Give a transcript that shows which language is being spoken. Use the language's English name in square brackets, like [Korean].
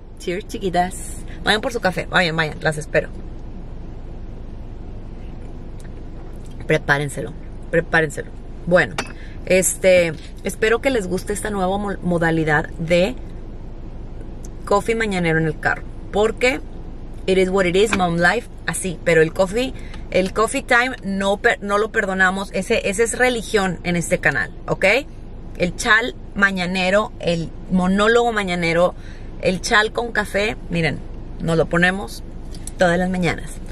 [Spanish] Cheers, chiquitas. Vayan por su café. Vayan, vayan. Las espero. Prepárenselo. Prepárenselo. Bueno, espero que les guste esta nueva modalidad de coffee mañanero en el carro. [English] Porque it is what it is, mom life. [Spanish] Así, pero el coffee time no lo perdonamos. Ese es religión en este canal, ¿ok? El chal mañanero, el monólogo mañanero, el chal con café, miren, nos lo ponemos todas las mañanas.